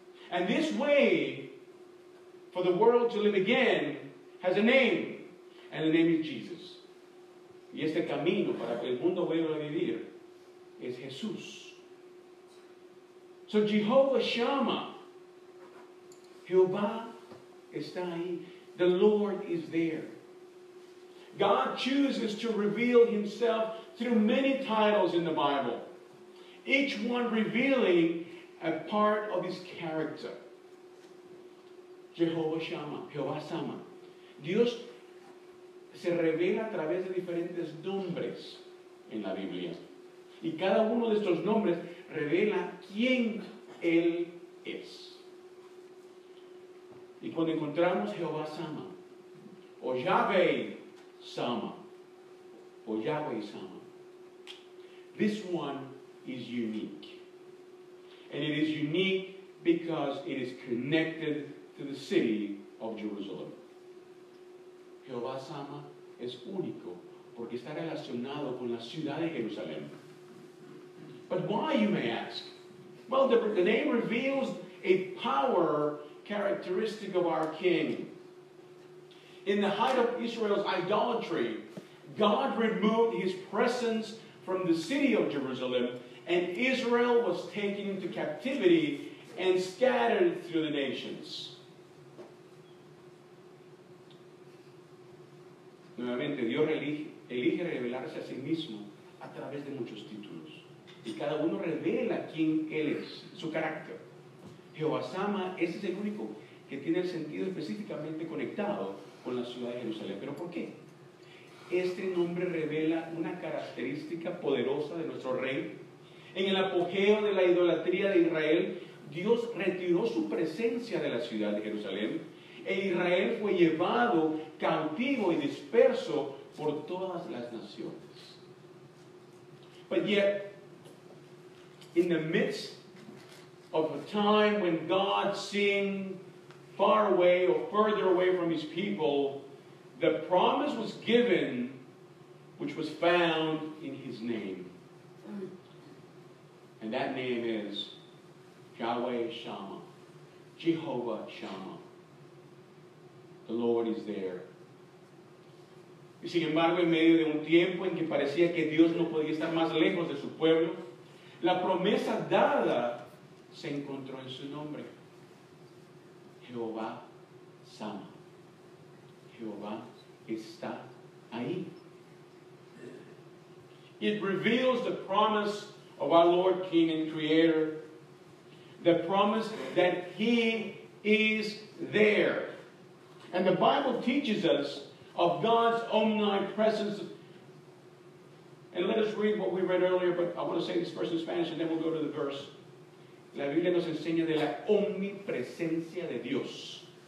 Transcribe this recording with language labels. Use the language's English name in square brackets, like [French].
[English] And this way for the world to live again has a name, and the name is Jesus. [Spanish] Y este camino para que el mundo vuelva a vivir es Jesús. So Jehovah Shammah, Jehovah está ahí. [English] The Lord is there. God chooses to reveal Himself through many titles in the Bible, each one revealing a part of His character. Jehovah Shammah, Jehovah Shammah. [Spanish] Dios se revela a través de diferentes nombres en la Biblia. Y cada uno de estos nombres revela quién Él es. Y cuando encontramos Jehovah Shammah, o Yahweh Shammah, o Yahweh Shammah, [English] this one is unique. And it is unique because it is connected to the city of Jerusalem. [Spanish] Jehovah Shammah es único porque está relacionado con la ciudad de Jerusalén. [English] But why, you may ask? Well, the name reveals a power characteristic of our king. In the height of Israel's idolatry, God removed His presence from the city of Jerusalem, and Israel was taken into captivity and scattered through the nations. [Spanish] Nuevamente, Dios elige revelarse a sí mismo a través de muchos títulos. Y cada uno revela quién Él es, su carácter. Jehová Shammah, ese es el único que tiene el sentido específicamente conectado con la ciudad de Jerusalén. ¿Pero por qué? Este nombre revela una característica poderosa de nuestro rey. En el apogeo de la idolatría de Israel, Dios retiró su presencia de la ciudad de Jerusalén. E Israel fue llevado cautivo y disperso por todas las naciones. [English] But yet, in the midst of a time when God seemed far away or further away from His people, the promise was given, which was found in His name. And that name is Yahweh Shammah, Jehovah Shammah. The Lord is there. [Spanish] Y sin embargo, en medio de un tiempo en que parecía que Dios no podía estar más lejos de su pueblo, la promesa dada se encontró en su nombre. Jehová Shammah. Jehová está ahí. [English] It reveals the promise of our Lord King and Creator. The promise that He is there. And the Bible teaches us of God's omnipresence. And let us read what we read earlier, but I want to say this first in Spanish and then we'll go to the verse. [Spanish] La Biblia nos enseña de la omnipresencia de Dios.